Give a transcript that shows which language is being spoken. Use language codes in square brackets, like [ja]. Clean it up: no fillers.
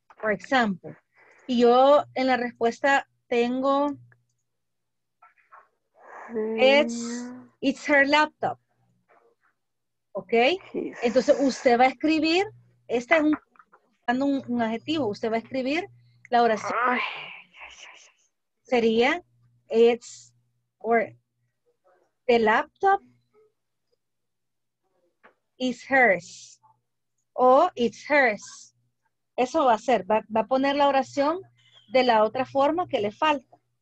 [en] For example, [es] y yo en la respuesta tengo, [en] it's her laptop. [es] Ok, entonces usted va a escribir, esta es un adjetivo, usted va a escribir la oración. [en] Sería, it's, or, the laptop is hers, o it's hers. [es] Eso va a ser, va a poner la oración de la otra forma que le falta.